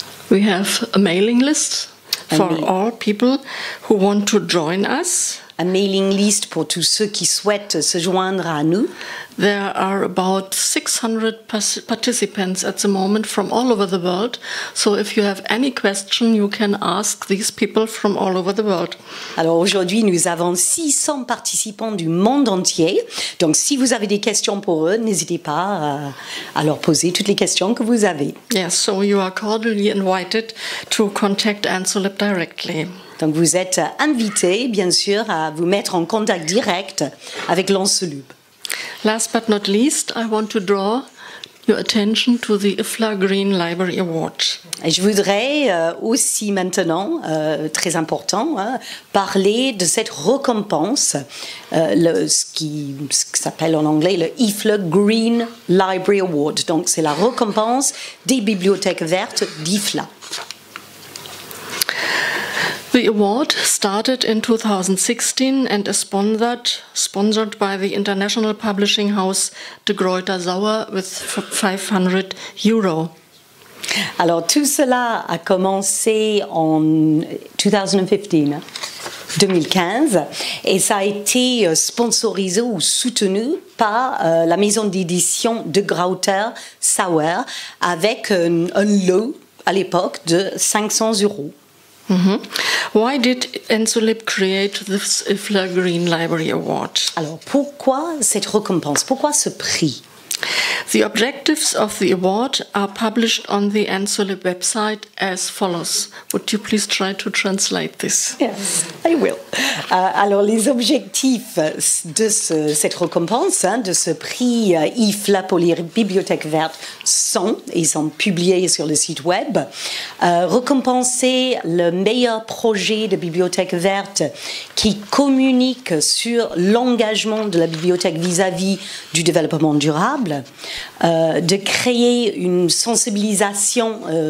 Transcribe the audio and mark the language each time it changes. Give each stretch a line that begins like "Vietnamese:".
English: We have a mailing list for all people who want to join us. A mailing list
French: pour tous ceux qui souhaitent se joindre à nous.
English: There are about 600 participants at the moment from all over the world. So if you have any question, you can ask these people from all over the world.
French: Alors aujourd'hui, nous avons 600 participants du monde entier. Donc si vous avez des questions pour eux, n'hésitez pas à leur poser toutes les questions que vous avez.
English: Yes, so you are cordially invited to contact ENSULIB directly.
French: Donc vous êtes invité, bien sûr, à vous mettre en contact direct avec l'ENSULIB.
English: Last but not least, I want to draw your attention to the IFLA Green Library Award.
French: Et je voudrais aussi maintenant, très important, parler de cette récompense, ce qui s'appelle en anglais le IFLA Green Library Award. Donc c'est la récompense des bibliothèques vertes d'IFLA.
English: The award started in 2016 and is sponsored by the international publishing house De Gruyter Sauer with 500 euro.
French: Alors tout cela a commencé en 2015 et ça a été sponsorisé ou soutenu par la maison d'édition De Gruyter Sauer avec un lot à l'époque de 500 euros. Mm-hmm.
English: Why did ENSULIB create this IFLA Green Library Award?
French: Alors, pourquoi cette récompense? Pourquoi ce prix?
English: The objectives of the award are published on the ENSULIB website as follows. Would you please try to translate this? Yes, I will.
French: Alors, les objectifs de cette récompense, hein, de ce prix IFLA pour les bibliothèques vertes sont, ils sont publiés sur le site web, récompenser le meilleur projet de bibliothèque verte qui communique sur l'engagement de la bibliothèque vis-à-vis du développement durable, de créer une sensibilisation